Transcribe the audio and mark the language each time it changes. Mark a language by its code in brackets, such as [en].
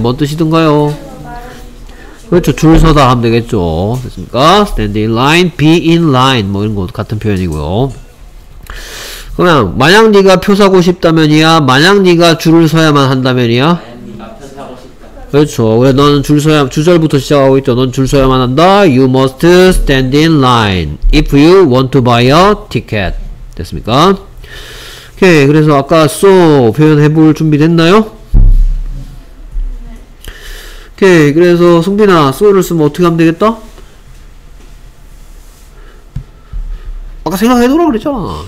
[ko] 뭔 뜻이든가요? 그렇죠. 줄 서다 하면 되겠죠. 됐습니까? [en] stand in line. be in line. [ko] 뭐 이런 것도 같은 표현이고요. 그러면 만약 네가 표 사고 싶다면이야? 만약 네가 줄을 서야만 한다면이야? 만약 네가 표 사고 싶다. 그렇죠. 왜 너는 줄 서야 주절부터 시작하고 있죠. 넌 줄 서야만 한다. [en] You must stand in line if you want to buy a ticket. [ko] 됐습니까? 오케이. 그래서 아까 so 표현해 볼 준비 됐나요? 오케이. 그래서 승빈아 so를 쓰면 어떻게 하면 되겠다? 아까 생각해두라 그랬잖아.